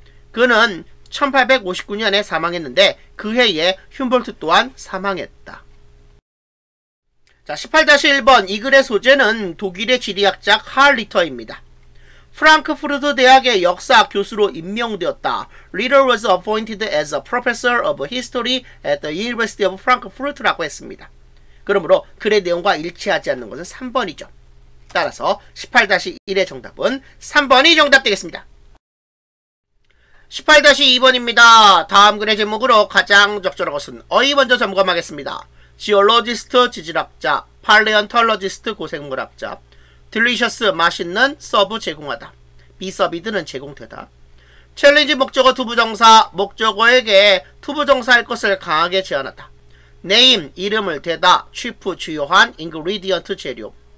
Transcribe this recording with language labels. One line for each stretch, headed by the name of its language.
Korean: 그는 1859년에 사망했는데 그 해에 휴볼트 또한 사망했다. 자, 18-1번 이 글의 소재는 독일의 지리학자 칼 리터입니다. 프랑크푸르트 대학의 역사 교수로 임명되었다.
English: Ritter was appointed as a professor of history at the University of Frankfurt
Korean: 라고 했습니다. 그러므로 글의 내용과 일치하지 않는 것은 3번이죠. 따라서 18-1의 정답은 3번이 정답되겠습니다. 18-2번입니다. 다음 글의 제목으로 가장 적절한 것은 어휘 먼저 점검하겠습니다. Geologist 지질학자, Paleontologist 고생물학자, Delicious 맛있는, Serve 제공하다, Be Served는 제공되다, Challenge 목적어 투부정사, 목적어에게 투부정사할 것을 강하게 제안하다, Name 이름을 대다, Chief 주요한, Ingredient 재료,